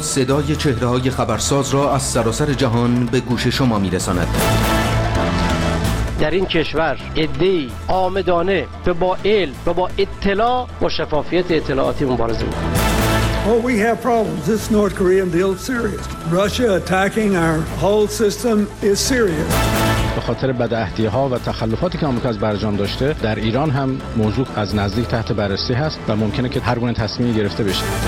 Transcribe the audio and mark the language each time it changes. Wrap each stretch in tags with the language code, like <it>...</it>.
<fa>صدای چهره‌های خبرساز را از سراسر جهان به گوش شما می‌رساند. در این کشور عده‌ای آمدانه به با علم و با اطلاع و شفافیت اطلاعاتی مبارزه می‌کنند.</fa> <en>Oh, we have problems. This North Korean deal is serious. Russia attacking our whole system is serious.</en> <fa>به خاطر بدعهدی‌ها و تخلفاتی که آمریکا از برجام داشته، در ایران هم موضوع از نزدیک تحت بررسی هست و ممکنه که هر گونه تصمیمی گرفته بشه.</fa>